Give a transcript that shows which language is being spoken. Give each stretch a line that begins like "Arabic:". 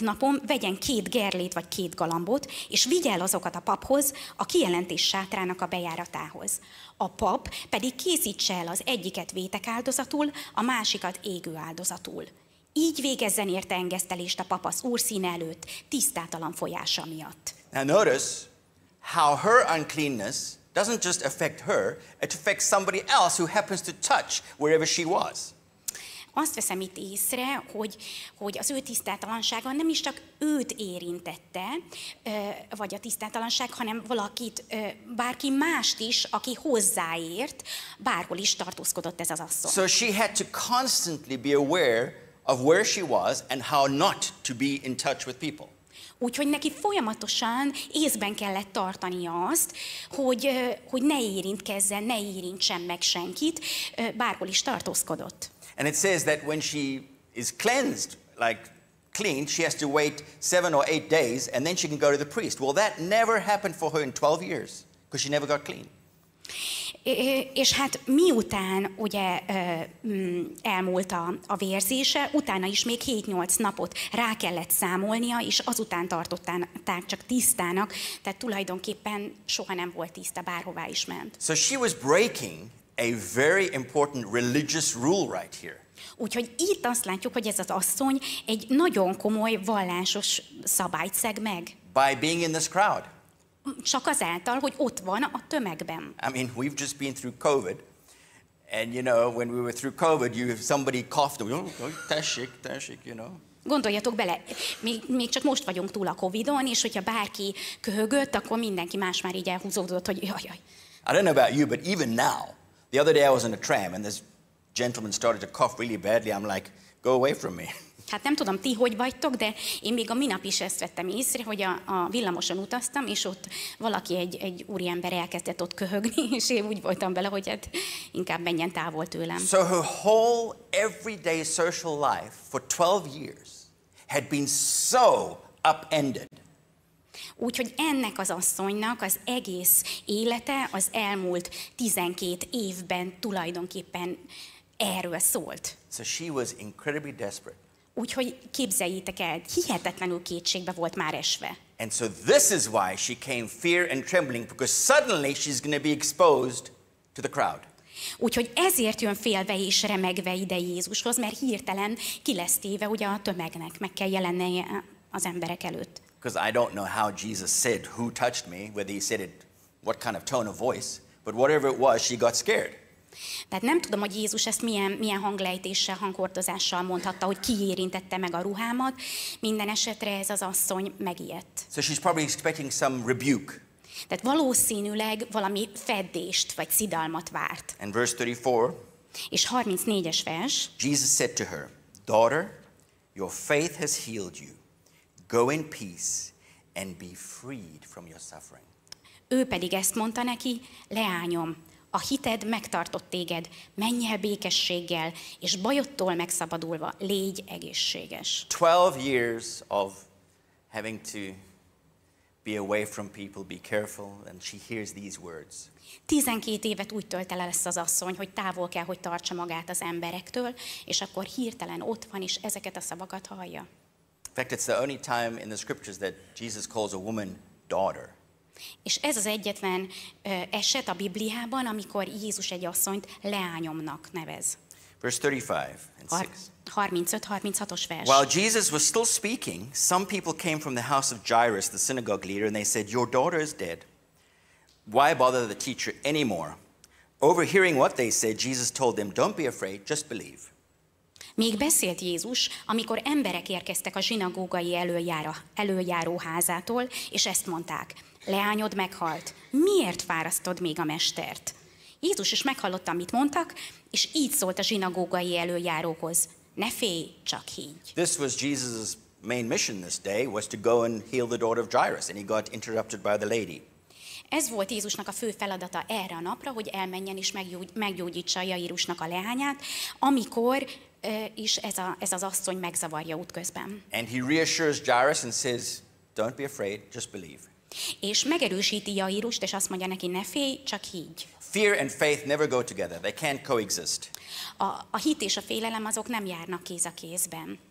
Hungarian: napon vegyen 2 gerlét vagy 2 galambot, és vigye el azokat a paphoz, a kijelentés sátrának a bejáratához. A pap pedig készítse el az egyiket vétek áldozatul, a másikat égő áldozatul. Így végezzen érte engesztelést a pap az Úr színe előtt, tisztátalan folyása miatt.
English: Now notice how her uncleanness doesn't just affect her, it affects somebody else who happens to touch wherever she was.
Hungarian: Azt veszem itt észre, hogy, hogy az ő tisztátalansága nem is csak őt érintette, vagy a tisztátalanság, hanem valakit, bárki mást is, aki hozzáért, bárhol is tartózkodott ez az asszony.
English: So she had to constantly be aware of where she was and how not to be in touch with people.
Hungarian: Úgyhogy neki folyamatosan észben kellett tartani azt, hogy, hogy ne érintkezzen, ne érintsen meg senkit, bárhol is tartózkodott.
English: And it says that when she is cleansed, like clean, she has to wait 7 or 8 days and then she can go to the priest. Well, that never happened for her in 12 years because she never got clean.
Hungarian: És hát miután ugye elmúlt a vérzése, utána is még 7-8 napot rá kellett számolnia, és azután tartották csak tisztának, tehát tulajdonképpen soha nem volt tiszta, bárhová is ment.
English: So she was breaking a very important religious rule right here.
Hungarian: Úgyhogy itt azt látjuk, hogy ez az asszony egy nagyon komoly vallásos szabályt szeg meg.
English: By being in this crowd.
Hungarian: Csak azáltal, hogy ott van a tömegben.
English: I mean, we've just been through COVID, and you know, when we were through COVID, you if somebody coughed,
Hungarian: tessék,
English: you know.
Hungarian: Gondoljatok bele, még csak most vagyunk túl a COVID-on, és hogyha bárki köhögött, akkor mindenki más már így elhúzódott, hogy jaj.
English: I don't know about you, but even now, the other day I was in a tram and this gentleman started to cough really badly. I'm like, go away from me.
Hungarian: Hát nem tudom, ti hogy vagytok, de én még a minap is ezt vettem észre, hogy a villamoson utaztam, és ott valaki egy úriember elkezdett ott köhögni, és én úgy voltam bele, hogy hát inkább menjen távol tőlem.
English: So her whole everyday social life for 12 years had been so upended.
Hungarian: Úgyhogy ennek az asszonynak az egész élete az elmúlt 12 évben tulajdonképpen erről szólt.
English: So she was incredibly desperate.
Hungarian: Úgyhogy képzeljétek el, hihetetlenül kétségbe volt már esve.
English: And so this is why she came fear and trembling, because suddenly she's going to be exposed to the crowd.
Hungarian: Úgyhogy ezért jön félve és remegve ide Jézushoz, mert hirtelen ki lesz téve ugye a tömegnek, meg kell jelennie az emberek előtt.
English: Because I don't know how Jesus said who touched me, whether he said it, what kind of tone of voice, but whatever it was, she got scared.
Hungarian: Tehát nem tudom, hogy Jézus ezt milyen hanglejtéssel, hangordozással mondhatta, hogy ki érintette meg a ruhámat. Minden esetre ez az asszony megijedt.
English: So she's probably expecting some rebuke.
Hungarian: Tehát valószínűleg valami feddést vagy szidalmat várt.
English: And verse 34.
Hungarian: És 34-es vers.
English: Jesus said to her, daughter, your faith has healed you. Go in peace and be freed from your suffering.
Hungarian: Ő pedig ezt mondta neki, leányom, a hited megtartott téged, menj el békességgel, és bajodtól megszabadulva légy egészséges.
English: 12 years of having to be away from people, be careful, and she hears these words.
Hungarian: 12 évet úgy tölt el lesz az asszony, hogy távol kell, hogy tartsa magát az emberektől, és akkor hirtelen ott van, és ezeket a szavakat hallja.
English: In fact, it's the only time in the scriptures that Jesus calls a woman daughter.
Hungarian: És ez az egyetlen eset a Bibliában, amikor Jézus egy asszonyt leányomnak nevez.
English: Verse 35-36-os
Hungarian: vers.
English: While Jesus was still speaking, some people came from the house of Jairus, the synagogue leader, and they said, "Your daughter is dead. Why bother the teacher anymore?" Overhearing what they said, Jesus told them, "Don't be afraid, just believe."
Hungarian: Még beszélt Jézus, amikor emberek érkeztek a zsinagógai előjáróházától, és ezt mondták, leányod meghalt, miért fárasztod még a mestert? Jézus is meghallotta, amit mondtak, és így szólt a zsinagógai előjárókhoz, ne félj, csak higgy.
English: This was Jesus' main mission this day, was to go and heal the daughter of Jairus, and he got interrupted by the lady.
Hungarian: Ez volt Jézusnak a fő feladata erre a napra, hogy elmenjen és meggyógyítsa Jairusnak a leányát, amikor is ez az asszony megzavarja útközben.
English: And he reassures Jairus and says, "Don't be afraid, just believe."
Hungarian: És megerősíti Jairust, és azt mondja neki, ne félj, csak higgy.
English: Fear and faith never go together. They can't coexist.
Hungarian: A hit és a félelem azok nem járnak kéz a kézben.